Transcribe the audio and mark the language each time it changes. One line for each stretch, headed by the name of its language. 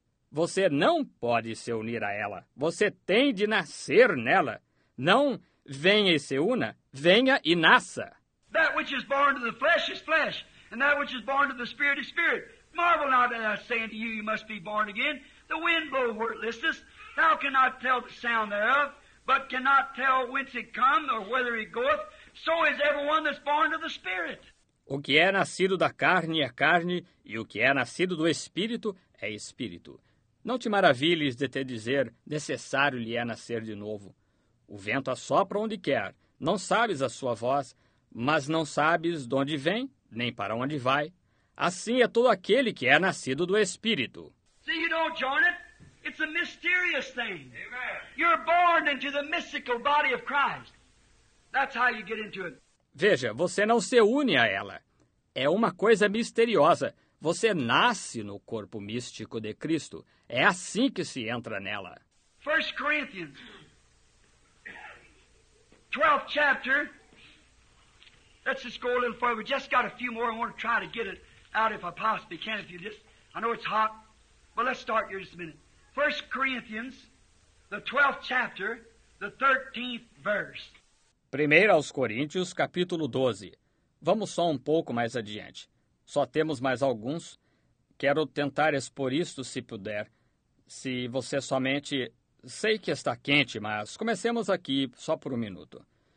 Portuguese: Você não pode se unir a ela. Você tem de nascer nela. Não venha e se una, venha e nasça.
English: That which is born to the flesh is flesh, and that which is born to the spirit is spirit. Marvel not that I say unto you, you must be born again. The wind blow where it listeth. Thou cannot tell the sound thereof, but cannot tell whence it come, or whither it goeth. So is everyone that's born of the Spirit.
Portuguese: O que é nascido da carne é carne, e o que é nascido do Espírito é Espírito. Não te maravilhes de te dizer, necessário lhe é nascer de novo. O vento assopra onde quer, não sabes a sua voz, mas não sabes de onde vem, nem para onde vai. Assim é todo aquele que é nascido do Espírito.
English: See, you don't join it. It's a mysterious thing. Amen. You're born into the mystical body of Christ. That's how you get into it.
Portuguese: Veja, você não se une a ela. É uma coisa misteriosa. Você nasce no corpo místico de Cristo. É assim que se entra nela.
English: 1 Corinthians, 12th chapter. Let's just go a little further. We just got a few more. I want to try to get it out if I possibly can. If you just, I know it's hot, but let's start here just a minute. 1 Corinthians, the 12th chapter, the 13th verse.
Portuguese: 1 aos Coríntios, capítulo 12. Vamos só um pouco mais adiante. Só temos mais alguns. Quero tentar expor isto, se puder. Se você somente... Sei que está quente, mas comecemos aqui só por um minuto.